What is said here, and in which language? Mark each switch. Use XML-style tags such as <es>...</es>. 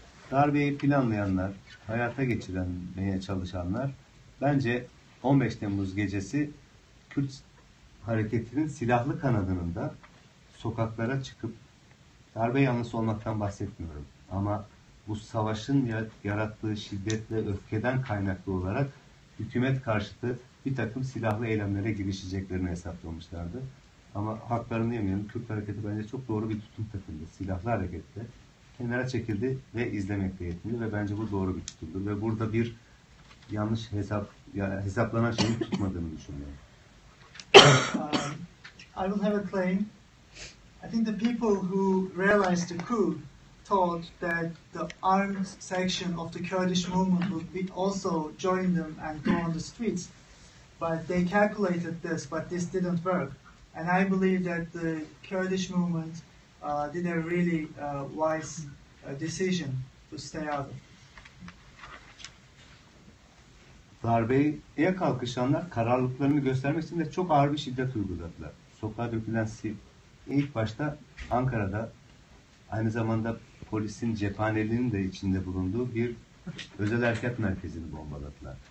<tr>Darbeyi planlayanlar, hayata geçirmeye çalışanlar, bence 15 Temmuz gecesi Kürt hareketinin silahlı kanadının da sokaklara çıkıp, darbe yanlısı olmaktan bahsetmiyorum ama bu savaşın yarattığı şiddetle öfkeden kaynaklı olarak hükümet karşıtı bir takım silahlı eylemlere girişeceklerini hesaplamışlardı. Ama haklarını yemeyelim, Kürt hareketi bence çok doğru bir tutum takımdı, silahlı harekette. Kenara çekildi ve izlemekle yetindi ve bence bu doğru bir tutumdur ve burada bir yanlış hesaplanan şeyi tutmadığını düşünüyorum.</tr> <en>I will have a claim. I think the people who realized the coup thought that the armed section of the Kurdish movement would be also join them and go on the streets, but they calculated this, but this didn't work. And I believe that the Kurdish movement did a really wise decision to stay out of.</en> <tr>Darbeye kalkışanlar kararlılıklarını göstermek için de çok ağır bir şiddet uyguladılar. Sokağa dökülen ilk başta Ankara'da aynı zamanda polisin cephaneliğinin de içinde bulunduğu bir özel harekat merkezini bombaladılar.</tr>